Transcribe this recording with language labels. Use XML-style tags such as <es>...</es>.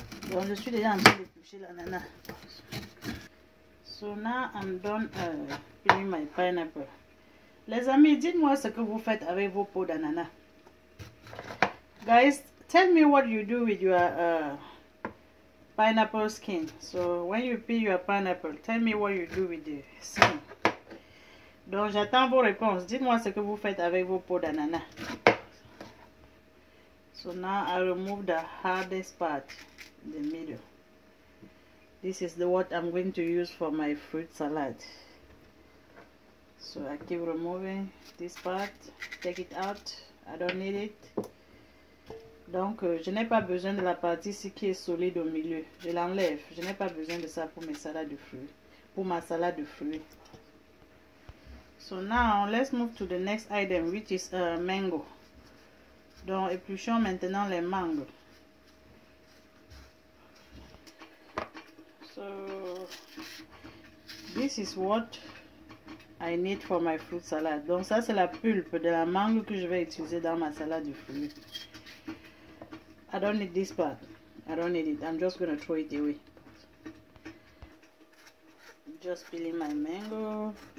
<fr>Donc je suis déjà en train de toucher l'ananas.</fr> <en>So now I'm done peeling my pineapple.</en> <fr>Les amis, dites-moi ce que vous faites avec vos pots d'ananas.</fr> <en>Guys, tell me what you do with your pineapple skin. So when you peel your pineapple, tell me what you do with the skin.</en> <fr>Donc j'attends vos réponses. Dites-moi ce que vous faites avec vos pots d'ananas.</fr> <en>So now I remove the hardest part, the middle. This is the what I'm going to use for my fruit salad. So I keep removing this part, take it out. I don't need it.</en> <fr>Donc je n'ai pas besoin de la partie ici qui est solide au milieu. Je l'enlève. Je n'ai pas besoin de ça pour mes salades de fruits, pour ma salade de fruits.</fr> <en>So now let's move to the next item, which is mango.</en> <fr>Donc épluchons maintenant les mangues.</fr> <en>So this is what I need for my fruit salad.</en> <fr>Donc ça c'est la pulpe de la mangue que je vais utiliser dans ma salade de fruits.</fr> <en>I don't need this part. I don't need it. I'm just gonna throw it away. Just peeling my mango.</en>